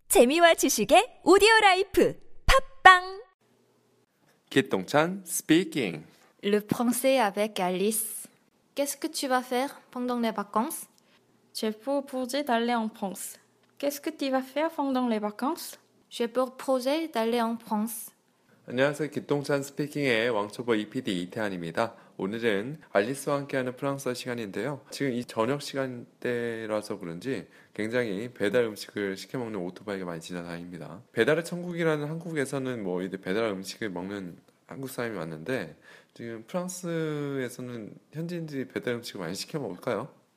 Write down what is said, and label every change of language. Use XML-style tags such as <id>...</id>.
<ko>재미와 지식의 오디오라이프 팝빵 기똥찬 스피킹</ko> <fr>Le français avec Alice Qu'est-ce que tu vas faire pendant les vacances? J'ai pour projet d'aller en France. Qu'est-ce que tu vas faire pendant les vacances? J'ai pour projet d'aller en France.</fr> <ko>안녕하세요. 기똥찬 스피킹의 왕초보 EPD 이태한입니다. 오늘은 알리스와 함께하는 프랑스어 시간인데요. 지금 이 저녁 시간대라서 그런지 굉장히 배달 음식을 시켜 먹는 오토바이가 많이 지나다닙니다. 배달의 천국이라는 한국에서는 뭐 이제 배달 음식을 먹는 한국 사람이 많은데 지금 프랑스에서는 현지인들이 배달 음식을 많이 시켜 먹을까요?</ko>